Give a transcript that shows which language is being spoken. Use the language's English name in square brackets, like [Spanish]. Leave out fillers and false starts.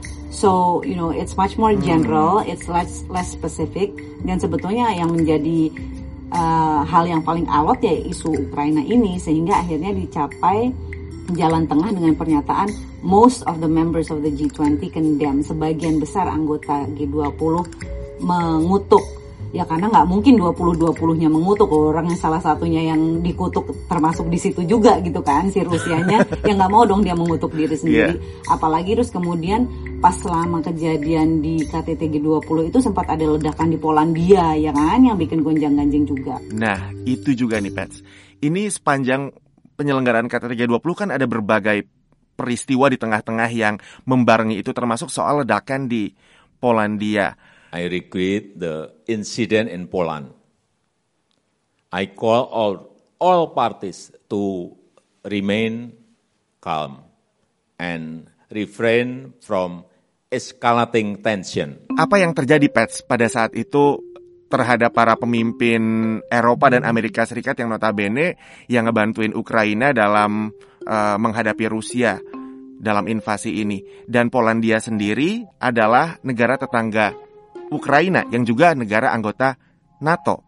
[English] So, you know, it's much more general, it's less specific. [Indonesian] Dan sebetulnya yang menjadi hal yang paling alot ya isu Ukraina ini, sehingga akhirnya dicapai jalan tengah dengan pernyataan [English] most of the members of the G20 condemn, [Indonesian] sebagian besar anggota G20 mengutuk. Ya karena nggak mungkin 20-20-nya mengutuk, orang yang salah satunya yang dikutuk termasuk di situ juga gitu kan, si Rusianya, yang nggak mau dong dia mengutuk diri sendiri. Yeah. Apalagi terus kemudian pas lama kejadian di KTT G20 itu sempat ada ledakan di Polandia, ya kan, yang bikin gonjang-ganjing juga. Nah, itu juga nih, Pets. Ini sepanjang penyelenggaraan KTT G20 kan ada berbagai peristiwa di tengah-tengah yang membarengi itu, termasuk soal ledakan di Polandia. [English] I regret the incident in Poland. I call all parties to remain calm and refrain from escalating tension. [Indonesian] Apa yang terjadi, Pets, pada saat itu terhadap para pemimpin Eropa dan Amerika Serikat yang notabene yang ngebantuin Ukraina dalam menghadapi Rusia dalam invasi ini? Dan Polandia sendiri adalah negara tetangga Ukraina yang juga negara anggota NATO.